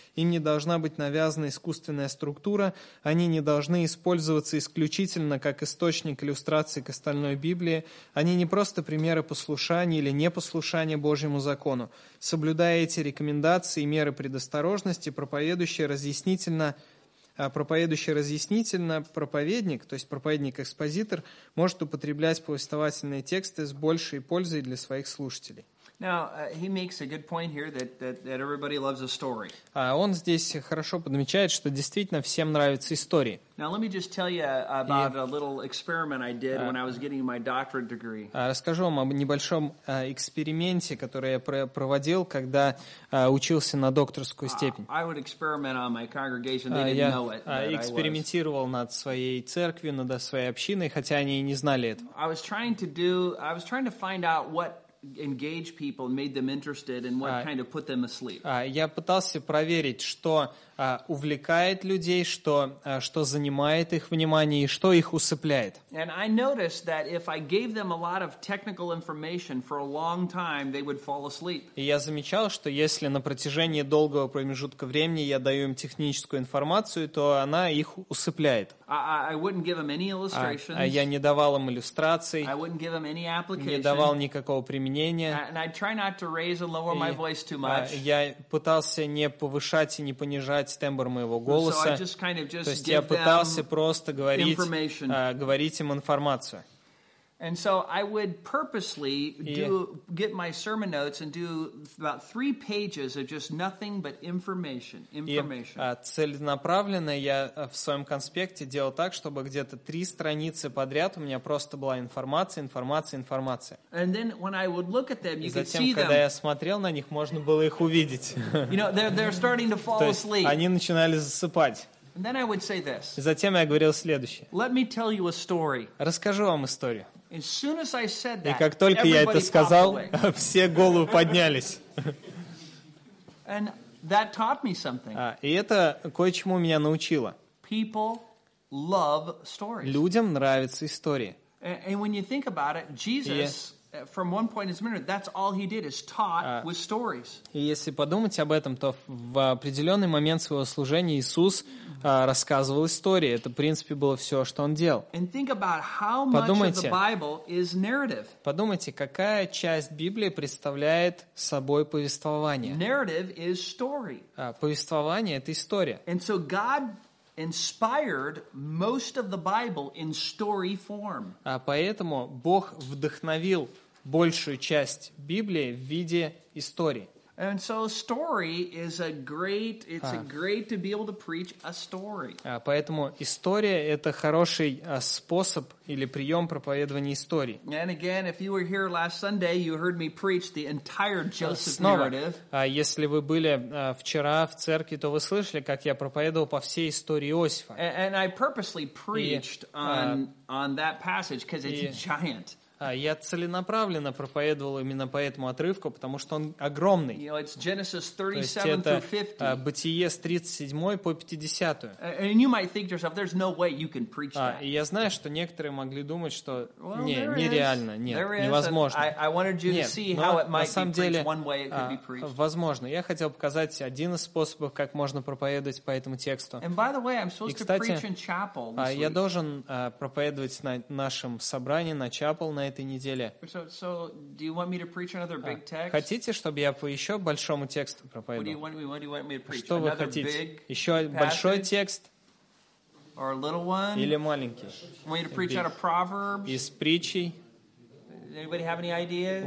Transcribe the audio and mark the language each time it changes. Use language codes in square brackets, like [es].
[ru] Им не должна быть навязана искусственная структура, они не должны использоваться исключительно как источник иллюстрации к остальной Библии, они не просто примеры послушания или непослушания Божьему закону. Соблюдая эти рекомендации и меры предосторожности, проповедующий разъяснительно проповедник, то есть проповедник-экспозитор, может употреблять повествовательные тексты с большей пользой для своих слушателей. [en] Now, he makes a good point here that everybody loves a story. [ru] Он здесь хорошо подмечает, что действительно всем нравятся истории. [en] Now, let me just tell you about a little experiment I did when I was getting my doctorate degree. [ru] Расскажу вам об небольшом эксперименте, который я проводил, когда учился на докторскую степень. [en] I would experiment on my congregation, they didn't know it. [ru] Я экспериментировал над своей церковью, над своей общиной, хотя они и не знали этого. [en] I was trying to find out what engage people and made them interested and what kind of put them asleep. [ru] Я пытался проверить, что увлекает людей, что занимает их внимание и что их усыпляет. [en] And I noticed that if I gave them a lot of technical information for a long time, they would fall asleep. [ru] И я замечал, что если на протяжении долгого промежутка времени я даю им техническую информацию, то она их усыпляет. [en] I wouldn't give them any illustrations. [ru] Я не давал им иллюстраций. [en] I wouldn't give them any application. [ru] Не давал никакого применения. [en] And I try not to raise and lower my voice too much. [ru] Я пытался не повышать и не понижать тембр моего голоса. [en] So I just kind of just [ru] то есть я пытался просто говорить им информацию. [en] And so I would purposely get my sermon notes and do about 3 pages of just nothing but information. [ru] Целенаправленно я в своем конспекте делал так, чтобы где-то 3 страницы подряд у меня просто была информация. [en] And then when I would look at them, you could see them. [ru] Затем, когда я смотрел на них, можно было их увидеть. [en] You know, they're starting to fall asleep. [ru] Они начинали засыпать. [en] And then I would say this. [ru] Затем я говорил следующее. [en] Let me tell you a story. [ru] Расскажу вам историю. [en] As soon as I said that, [ru] и как только я это сказал, все головы поднялись. [en] And that taught me something. [ru] И это кое-чему меня научило. [en] People love stories. [ru] Людям нравятся истории. [en] And when you think about it, Jesus, from one point in his ministry, that's all he did is taught with stories. [ru] И если подумать об этом, то в определенный момент своего служения Иисус рассказывал истории. Это, в принципе, было все, что он делал. [en] And think about how much of the Bible is narrative. [ru] Подумайте, какая часть Библии представляет собой повествование. [en] Narrative is story. [ru] Повествование — это история. [en] And so God inspired most of the Bible in story form. [ru] Поэтому Бог вдохновил большую часть Библии в виде истории. [en] And so story is a great, it's a great to be able to preach a story. [ru] Поэтому история — это хороший способ или прием проповедования истории. [en] And again, if you were here last Sunday, you heard me preach the entire Joseph narrative. [ru] Если вы были вчера в церкви, то вы слышали, как я проповедовал по всей истории Иосифа. [en] And I purposely preached on that passage because it's giant. [ru] Я целенаправленно проповедовал именно по этому отрывку, потому что он огромный. [en] You know, it's Genesis 37 [ru] то есть это Бытие с 37 по 50. [en] And you might think to yourself, there's no way you can preach that. [ru] И я знаю, что некоторые могли думать, что нереально, нет, невозможно. [en] I wanted you to see how it might be preached one way it could be preached. [ru] Возможно. Я хотел показать один из способов, как можно проповедовать по этому тексту. [en] And by the way, I'm supposed to preach in chapel. [ru] Я должен проповедовать на нашем собрании на chapel на этой неделе. [en] So do you want me to preach another big text? [ru] Хотите, чтобы я по еще большому тексту проповедовал? [en] What do you want me to preach? [ru] Что вы хотите? Еще большой текст? [en] Or a little one? [ru] Или маленький? [en] You want me to preach out of Proverbs? [ru] Из притчей? [en] Does anybody have any ideas?